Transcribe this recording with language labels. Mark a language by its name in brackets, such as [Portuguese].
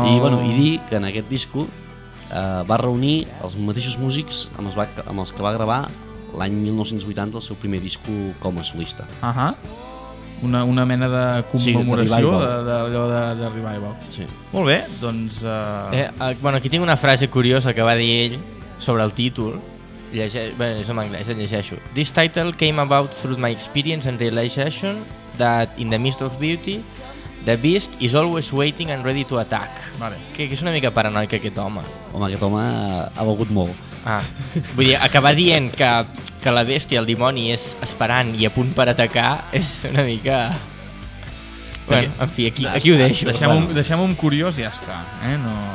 [Catalan] el... I, bueno, i dir que en aquest disco va reunir els mateixos músics amb els que va gravar l'any 1980 el seu primer disco com a solista. Ahà. Uh-huh. Una mena de commemoració, d'allò de Revival. Sí. Molt bé, doncs... Bueno, aquí tinc una frase curiosa que va dir ell sobre el títol. És en anglès, el llegeixo. [English] "This title came about through my experience and realization that in the midst of beauty, the beast is always waiting and ready to attack." [Catalan] Vale. Que és una mica paranoica aquest home. Home, aquest home ha begut molt. Ah, vull dir, acabar dient que la bèstia, el dimoni, és esperant i a punt per atacar, és una mica... Bueno, en fi, aquí ho deixo. Deixem un curiós i ja està. No,